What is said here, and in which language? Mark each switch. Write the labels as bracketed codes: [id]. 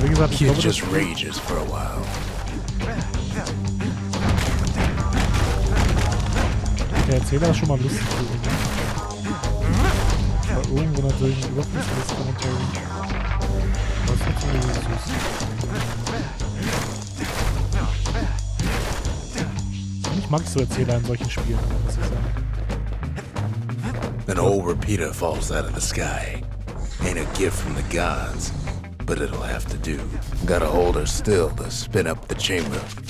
[en] Kid just rages for a while. [de] Der Erzähler ist schon mal lustig. Aber irgendwo natürlich ein überflüssiges Kommentar. Das ist natürlich nicht süß. Eigentlich mag ich so Erzähler in solchen Spielen, muss ich sagen. [en] An old repeater falls out of the sky. Ain't a gift from the gods, but it'll have to do. Gotta hold her still to spin up the chamber.